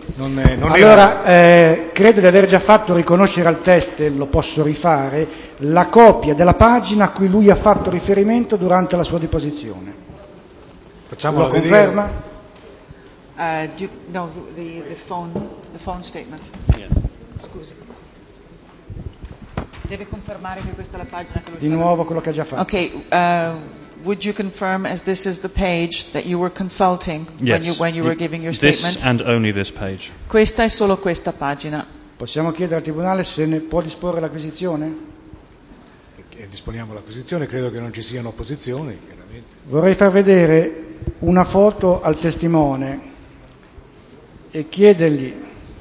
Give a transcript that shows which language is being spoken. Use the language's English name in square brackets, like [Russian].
[Italian] Allora, credo di aver già fatto riconoscere al test, lo posso rifare, la copia della pagina a cui lui ha fatto riferimento durante la sua deposizione. Facciamola lo conferma? [English] The phone statement. [Italian] Scusi. Deve confermare che questa è la pagina che lo di nuovo quello che ha già fatto. [English] Okay, would you confirm as this is the page that you were consulting when you were giving your statement? This and only this page. [Italian] Questa è solo questa pagina. Possiamo chiedere al tribunale se ne può disporre l'acquisizione? E disponiamo l'acquisizione, credo che non ci siano opposizioni, chiaramente. Vorrei far vedere una foto al testimone e chiedergli.